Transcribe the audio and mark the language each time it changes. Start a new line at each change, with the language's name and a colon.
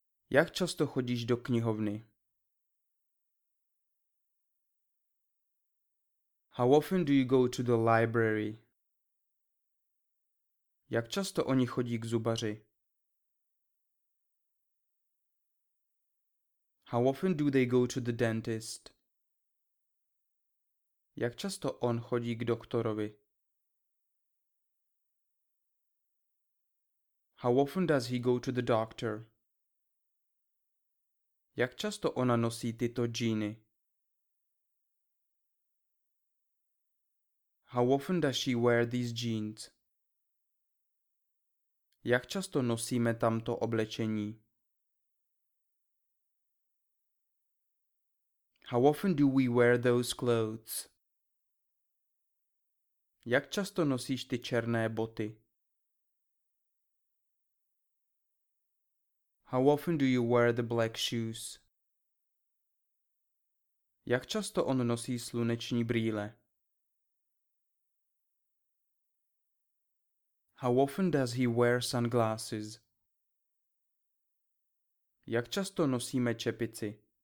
Czech: Jak často chodíš do knihovny?
English: How often do you go to the library?
Czech: Jak často oni chodí k zubaři?
English: How often do they go to the dentist?
Czech: Jak často on chodí k doktorovi?
English: How often does he go to the doctor?
Czech: Jak často ona nosí tyto džíny?
English: How often does she wear these jeans?
Czech: Jak často nosíme tamto oblečení?
English: How often do we wear those clothes?
Czech: Jak často nosíš ty černé boty?
English: How often do you wear the black shoes?
Czech: Jak často on nosí sluneční brýle?
English: How often does he wear sunglasses?
Czech: Jak často nosíme čepici?